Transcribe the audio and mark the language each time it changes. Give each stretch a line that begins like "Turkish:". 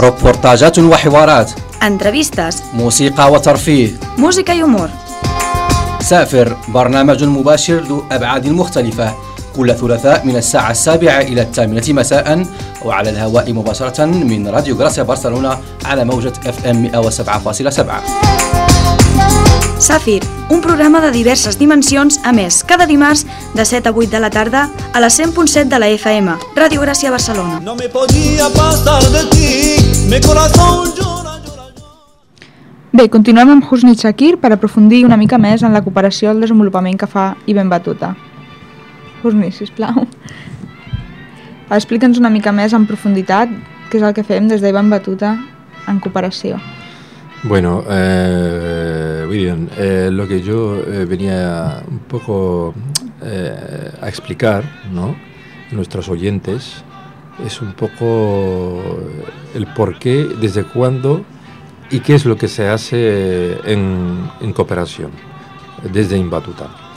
Catalan: Reportatges i
Arabic: حوارات.
Catalan: Entrevistes. Música i
Arabic: ترفيه.
Catalan: Música i humor.
Arabic: سافر برنامج مباشر ذو أبعاد مختلفة كل ثلاثاء من الساعة السابعة إلى الثامنة مساء وعلى الهواء مباشرة من راديو غراسيا برشلونة على موجة FM 107.7.
Catalan: Safir, un programa de diverses dimensions emès cada dimarts de 7 a 8 de la tarda a la 100.7 de la FM, Ràdio Gràcia Barcelona.
Spanish: No me podía pasar de ti, mi corazón llora, llora, llora.
Catalan: Bé, continuem amb Husni Shakir per aprofundir una mica més en la cooperació i el desenvolupament que fa Ibn Battuta. Husni, sisplau. Explica'ns una mica més en profunditat què és el que fem des d'Ibn Battuta en cooperació.
Spanish: Bueno, William, lo que yo venía un poco a explicar, ¿no?, a nuestros oyentes, es un poco el por qué, desde cuándo y qué es lo que se hace en cooperación desde Ibn Battuta.